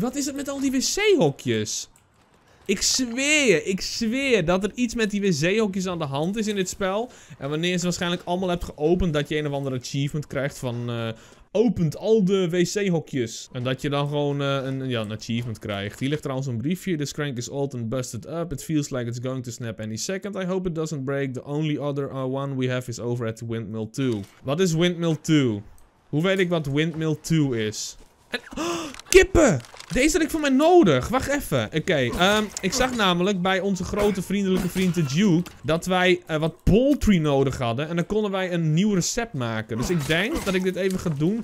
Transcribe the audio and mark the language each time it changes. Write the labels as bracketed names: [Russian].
[Dutch] Wat is het met al die wc-hokjes? Ik zweer dat er iets met die wc-hokjes aan de hand is in dit spel. En wanneer je ze waarschijnlijk allemaal hebt geopend, dat je een of ander achievement krijgt van... opent al de wc-hokjes. En dat je dan gewoon een achievement krijgt. Hier ligt trouwens een briefje. [English] This crank is old and busted up. It feels like it's going to snap any second. I hope it doesn't break. The only other one we have is over at the windmill 2. [Dutch] Wat is windmill 2? Hoe weet ik wat windmill 2 is? En, oh, kippen! Deze had ik voor mij nodig. Wacht even. Oké, ik zag namelijk bij onze grote vriendelijke vriend de Duke dat wij wat poultry nodig hadden. En dan konden wij een nieuw recept maken. Dus ik denk dat ik dit even ga doen.